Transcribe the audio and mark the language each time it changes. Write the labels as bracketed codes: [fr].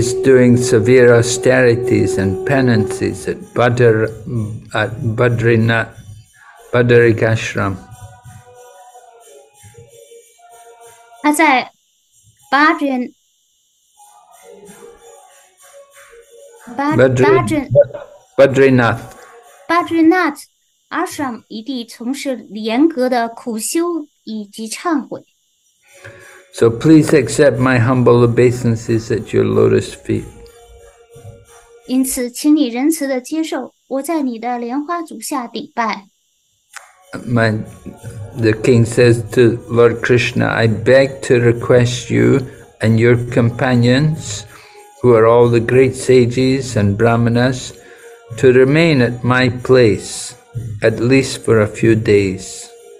[en] is doing severe austerities and penances at Badrikashram. [zh] 他在巴珍纳特阿什姆一地从事严格的苦修以及忏悔。So [en] please accept my humble obeisances at your lotus feet. [zh] 因此请你仁慈地接受我在你的莲花足下顶拜。 [en] The king says to Lord Krishna, I beg to request you and your companions, who are all the great sages and brahmanas, to remain at my place, at least for a few days.